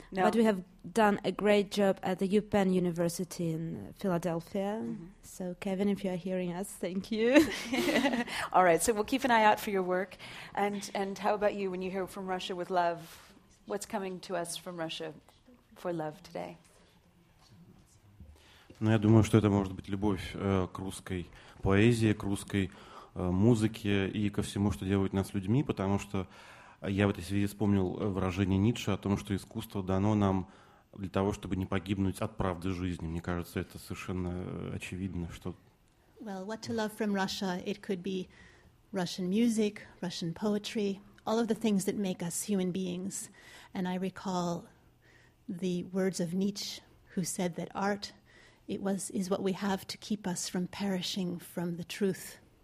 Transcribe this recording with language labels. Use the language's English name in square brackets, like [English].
[English] But we have done a great job at the UPenn University in Philadelphia. Mm-hmm. So, Kevin, if you're hearing us, thank you. All right, so we'll keep an eye out for your work. And how about you, when you hear From Russia with Love, what's coming to us from Russia for love today? [Russian] Ну, я думаю, что это может быть любовь к русской поэзии, к русской музыке и ко всему, что делает нас людьми, потому что я в этой связи вспомнил выражение Ницше о том, что искусство дано нам для того, чтобы не погибнуть от правды жизни. Мне кажется, это совершенно очевидно, что... [English] Well, what to love from Russia? It could be Russian music, Russian poetry, all of the things that make us human beings. And I recall the words of Nietzsche, who said that art is what we have to keep us from perishing from the truth.